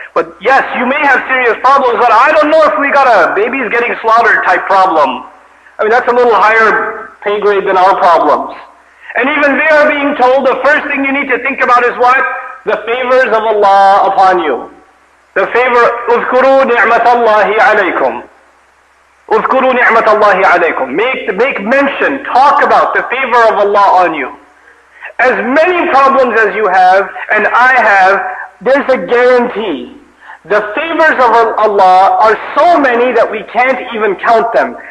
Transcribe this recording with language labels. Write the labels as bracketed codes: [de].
[en] But yes, you may have serious problems, but I don't know if we got a babies getting slaughtered type problem. I mean, that's a little higher pay grade than our problems. And even they are being told the first thing you need to think about is what? The favors of Allah upon you. The favor, [ar] اذكروا نعمة الله عليكم. اذكروا نعمة الله عليكم. [en] Make mention, talk about the favor of Allah on you. As many problems as you have, and I have, there's a guarantee. The favors of Allah are so many that we can't even count them.